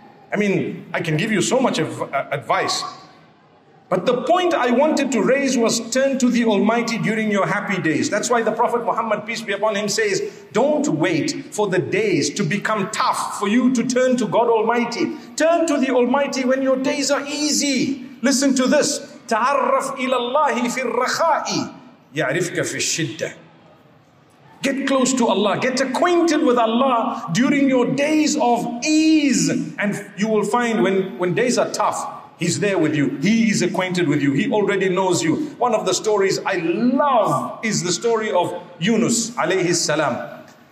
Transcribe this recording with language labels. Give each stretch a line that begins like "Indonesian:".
English: I mean, I can give you so much advice. But the point I wanted to raise was turn to the Almighty during your happy days. That's why the Prophet Muhammad, peace be upon him, says, don't wait for the days to become tough for you to turn to God Almighty. Turn to the Almighty when your days are easy. Listen to this.
Arabic: تعرف إلى الله في الرخاء يعرفك في الشدة.
English: Get close to Allah. Get acquainted with Allah during your days of ease. And you will find when days are tough, He's there with you. He is acquainted with you. He already knows you. One of the stories I love is the story of Yunus alayhi salam.